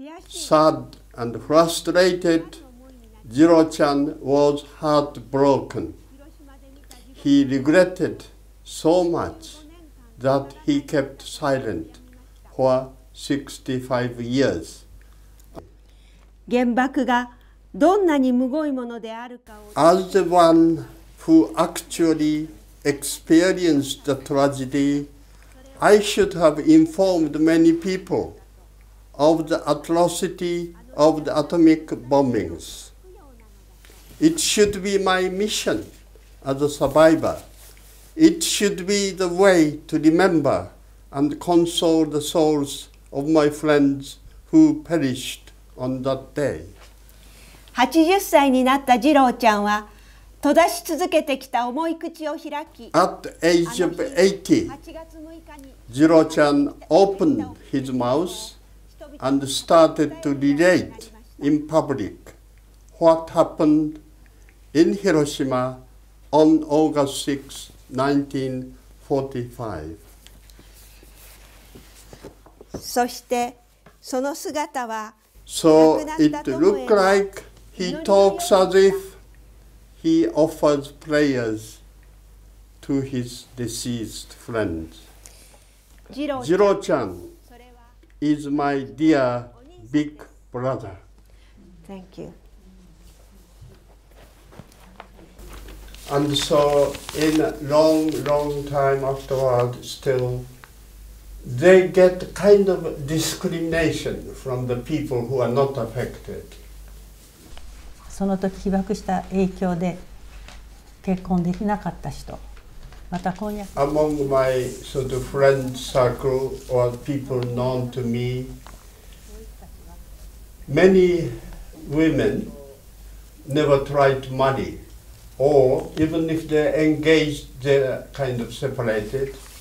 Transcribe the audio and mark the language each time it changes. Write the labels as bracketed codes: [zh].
[en] Sad and frustrated, Jiro-chan was heartbroken. He regretted so much that he kept silent for 65 years. [ja] 原爆がどんなにむごいものであるかを… [en] As the one who actually experienced the tragedy, I should have informed many people of the atrocity of the atomic bombings. It should be my mission as a survivor. It should be the way to remember and console the souls of my friends who perished on that day. [ja] 80 歳になったジローちゃんは閉ざし続けてきた重い口を開き、 [en] At the age of 80, ジローちゃん opened his mouth and started to relate in public what happened in Hiroshima on August 6, 1945. [ja] そしてその姿は [en] So it looked like he talks as if he offers prayers to his deceased friends. Jiro-chan is my dear big brother. Thank you. And so in a long, long time afterward still,They get kind of discrimination from the people who are not affected. [ja] その時被爆した影響で結婚できなかった人、また婚約。 [en] Among my sort of friend circle or people known to me, many women never tried to marry, or even if they're engaged, they're kind of separated.